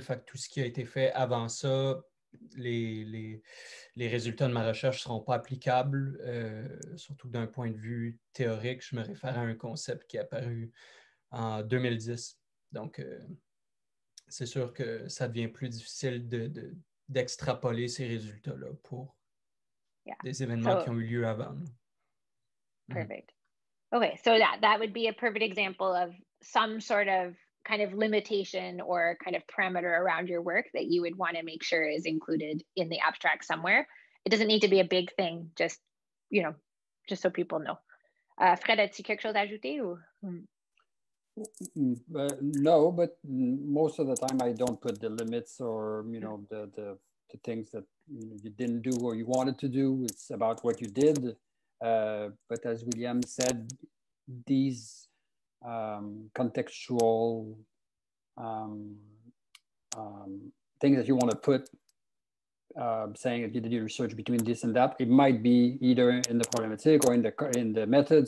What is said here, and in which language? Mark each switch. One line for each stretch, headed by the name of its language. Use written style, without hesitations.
French: Fait que tout ce qui a été fait avant ça, les résultats de ma recherche ne seront pas applicables, surtout d'un point de vue théorique. Je me réfère à un concept qui est apparu en 2010. Donc, c'est sûr que ça devient plus difficile d'extrapoler ces résultats-là pour des événements qui ont eu lieu avant.
English: Perfect. Okay, so that would be a perfect example of some sort of kind of limitation or kind of parameter around your work that you would want to make sure is included in the abstract somewhere. It doesn't need to be a big thing, just, you know, just so people know.
French: Fred, as-tu quelque chose à ajouter ou?
English: No, but most of the time I don't put the limits or, you know, the things that you didn't do or you wanted to do. It's about what you did. But as William said, these contextual things that you want to put, saying if you did your research between this and that, it might be either in the problematic or in the method.